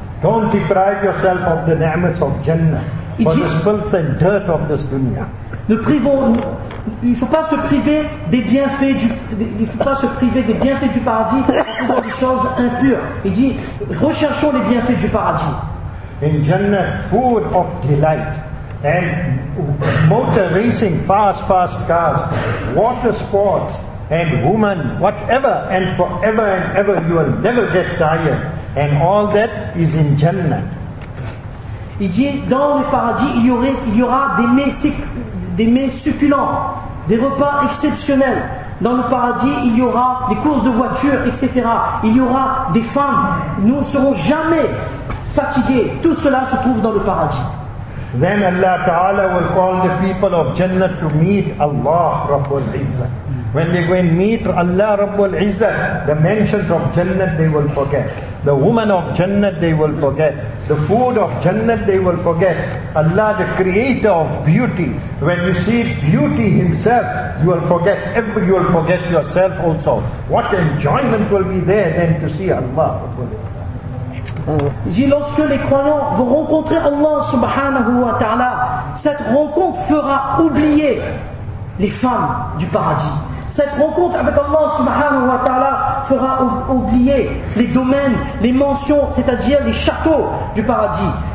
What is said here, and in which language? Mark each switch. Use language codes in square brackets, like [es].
[en] Don't deprive yourself of the ni'mat of Jannah for the filth and dirt of this dunya. [fr] Ne privons il ne faut pas se priver des bienfaits du, il faut pas se priver des bienfaits du paradis en faisant des choses impures. Il dit, recherchons les bienfaits du paradis. [en] In Jannah, food of delight and motor racing, fast cars, water sports and women, whatever and forever and ever, you will never get tired. And all that is in Jannah. [fr] Il dit, dans le paradis, il y aura des mets succulents, des repas exceptionnels. Dans le paradis, il y aura des courses de voitures, etc. Il y aura des femmes. Nous ne serons jamais fatigués. Tout cela se trouve dans le paradis. [en] Then Allah Ta'ala will call the people of Jannah to meet Allah Rabbul Izzah. When they go and meet Allah Rabbul Izzah, the mentions of Jannah they will forget. The woman of Jannah they will forget. The food of Jannah they will forget. Allah, the creator of beauty, when you see beauty himself, you will forget. Every, you will forget yourself also. What enjoyment will be there then to see Allah Rabbul Izzah. [fr] Dit, lorsque les croyants vont rencontrer Allah subhanahu wa ta'ala, cette rencontre fera oublier les femmes du paradis. Cette rencontre avec Allah subhanahu wa ta'ala fera oublier les domaines, les mansions, c'est-à-dire les châteaux du paradis.